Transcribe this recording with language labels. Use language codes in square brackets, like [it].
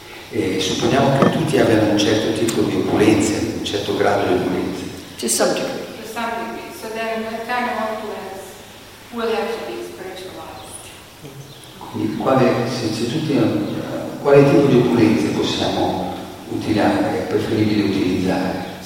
[it] E supponiamo che tutti abbiano un certo tipo di opulenza, un certo grado di opulenza. [en] To some degree. To some degree. So then the kind of opulence will have to be spiritualized. [it] Quindi quale tipo di opulenza possiamo utilizzare, è preferibile utilizzare?